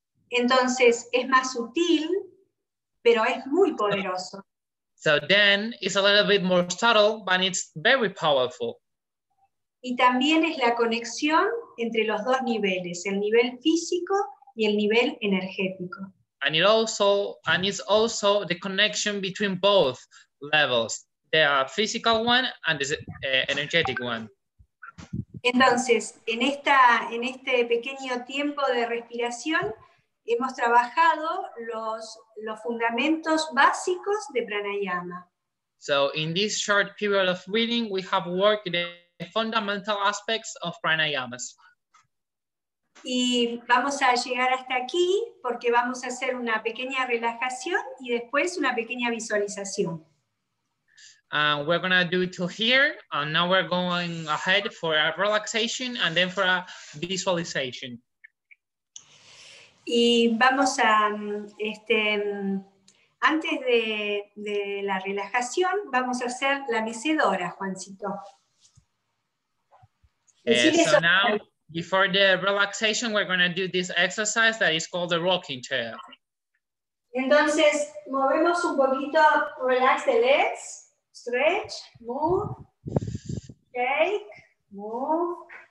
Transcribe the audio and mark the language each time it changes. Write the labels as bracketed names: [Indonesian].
[Spanish] Entonces es más sutil, pero es muy poderoso. [English] So then it's a little bit more subtle, but it's very powerful. [Spanish] Y también es la conexión entre los dos niveles, el nivel físico y el nivel energético. [English] And it also, and it's also the connection between both levels, the physical one and the energetic one. [Spanish] Entonces, en esta, en este pequeño tiempo de respiración, hemos trabajado los fundamentos básicos de pranayama. [English] So in this short period of reading, we have worked the fundamental aspects of pranayamas. [Spanish] Y vamos a llegar hasta aquí porque vamos a hacer una pequeña relajación y después una pequeña visualización. [English] We're going to do it to here, and now we're going ahead for a relaxation and then for a visualization. [Spanish] Y vamos a, antes de la relajación, vamos a hacer la mecedora, Juancito. [English] So now, before the relaxation, we're going to do this exercise that is called the rocking chair. [Spanish] Entonces, movemos un poquito, [English] relax the legs, stretch, move, shake, move.